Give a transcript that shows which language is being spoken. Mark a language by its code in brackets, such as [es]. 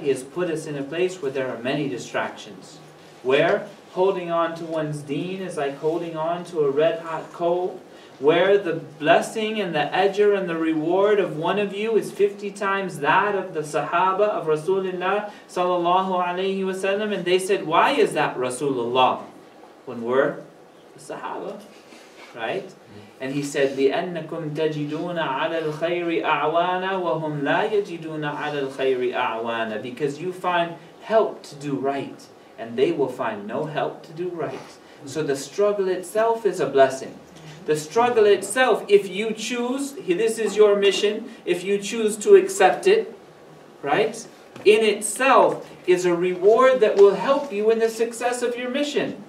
[en] He has put us in a place where there are many distractions. Where holding on to one's deen is like holding on to a red hot coal. Where the blessing and the ajr and the reward of one of you is 50 times that of the Sahaba of Rasulullah sallallahu alayhi wa sallam. And they said, why is that Rasulullah? When we're the Sahaba, right? And he said, [ar] لِأَنَّكُمْ تَجِدُونَ عَلَى الْخَيْرِ أَعْوَانَ وَهُمْ لَا يَجِدُونَ عَلَى الْخَيْرِ أَعْوَانَ. [en] Because you find help to do right, and they will find no help to do right. So the struggle itself is a blessing. The struggle itself, if you choose, this is your mission, if you choose to accept it, right? In itself is a reward that will help you in the success of your mission.